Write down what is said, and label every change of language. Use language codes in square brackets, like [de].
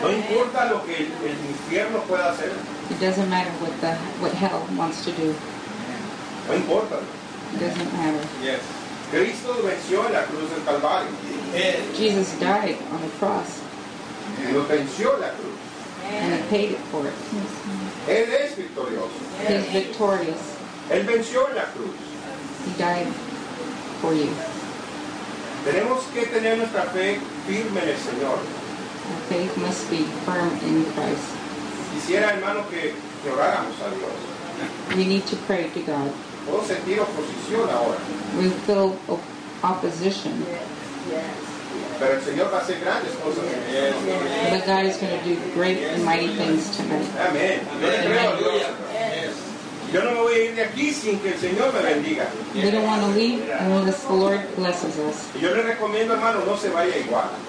[es] No importa lo que el infierno pueda hacer. [en] It doesn't matter what the what hell wants to do. [es] No importa. [en] It doesn't matter. [es] Yes. Cristo venció la cruz del Calvario. [en] Jesus died on the cross. [es] Y lo venció la cruz. [en] And he paid it for it. [es] Él es victorioso. [en] He's victorious. [es] Él venció en la cruz. [en] He died for you. [es] Tenemos que tener nuestra fe firme en el Señor. [en] Our faith must be firm in Christ. [es] Quisiera, hermano, que oráramos a Dios. [en] We need to pray to God. [es] Puedo sentir oposición ahora. [en] We feel opposition. [es] Pero el Señor va a hacer grandes cosas. [en] Yes. But God is going to do great and mighty things tonight. Amen. [es] Yo le creo a Dios. Yo no me voy a ir de aquí sin que el Señor me bendiga. [en] We don't want to leave unless the Lord blesses us. [es] Yo le recomiendo, hermano, no se vaya igual.